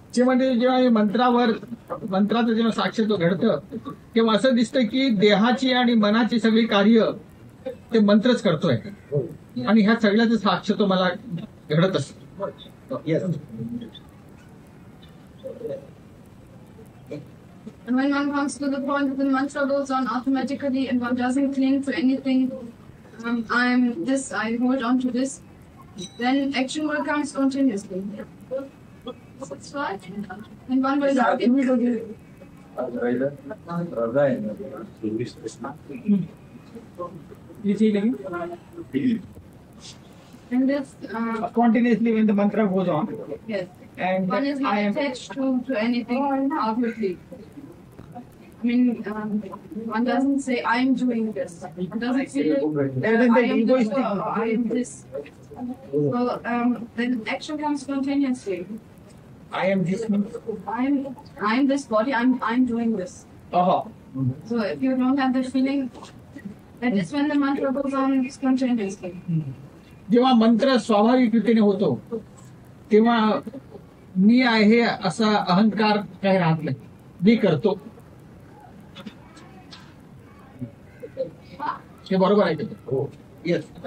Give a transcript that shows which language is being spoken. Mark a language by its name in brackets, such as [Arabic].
[Marathi] म्हणजे जेव्हा मी मंत्रावर मंत्राचं जेव्हा साक्षात्व घडत तेव्हा असं दिसतं की देहाची आणि मनाची सगळी कार्य ते मंत्रच करतोय आणि ह्या सगळ्याचं साक्षात्व मला घडत असत. [English] And when one comes to the point that the mantra goes on automatically and one doesn't cling to anything, I'm this, I hold on to this, then action will come spontaneously. Spontaneously when the mantra goes on. Yes. And one is not attached to anything, obviously. I mean, one doesn't say, I'm doing this. One doesn't say, I am this. So then action comes spontaneously. I am this body. I'm doing this. Uh-huh. So if you don't have the feeling, that is when the mantra goes on spontaneously. [Marathi] जेव्हा मंत्र स्वाभाविक रीतीने होतो तेव्हा मी आहे असा अहंकार काही राहत नाही. मी करतो हे बरोबर आहे.